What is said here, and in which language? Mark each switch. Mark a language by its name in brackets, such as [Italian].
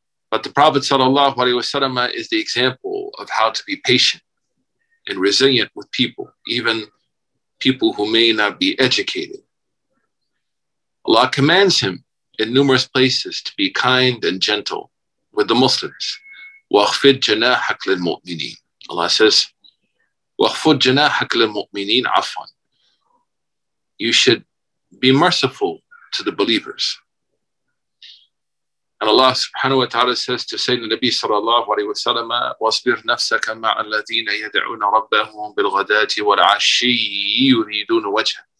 [English] But the Prophet sallallahu alaihi wasallam is the example of how to be patient and resilient with people, even people who may not be educated. Allah commands him in numerous places to be kind and gentle with the Muslims. [Arabic] وَاخْفِدْ جَنَاحَكَ لِلْمُؤْمِنِينَ. [English] Allah says, [Arabic] وَاخْفُدْ جَنَاحَكَ لِلْمُؤْمِنِينَ عَفْوًا. [English] You should be merciful to the believers. And Allah subhanahu wa ta'ala says to Sayyidina Nabi sallallahu alayhi wa sallam, [Arabic] وَاصْبِرْ نَفْسَكَ مَعَ الَّذِينَ يَدْعُونَ رَبَّهُمْ بِالْغَدَاتِ وَالْعَشِّيِّ يُرِيدُونَ وَجْهَ.